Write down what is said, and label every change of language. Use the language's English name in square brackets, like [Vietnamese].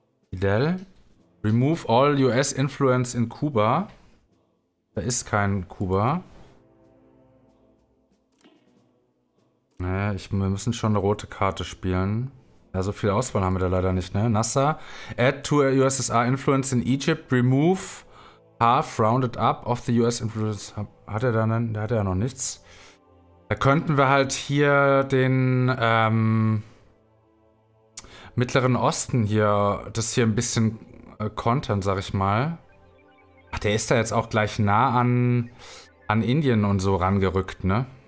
[English] Fidel. Remove all US Influence in Kuba. [German] Da ist kein Kuba. Wir müssen schon eine rote Karte spielen. Ja, so viel Auswahl haben wir da leider nicht, ne? [English] Nasser. Add to a USSR influence in Egypt. Remove half rounded up of the US influence. [German] Hat er da einen? Da hat er ja noch nichts. Da könnten wir halt hier den Mittleren Osten hier, das hier ein bisschen kontern, sag ich mal. Ach, der ist da jetzt auch gleich nah an Indien und so rangerückt, ne?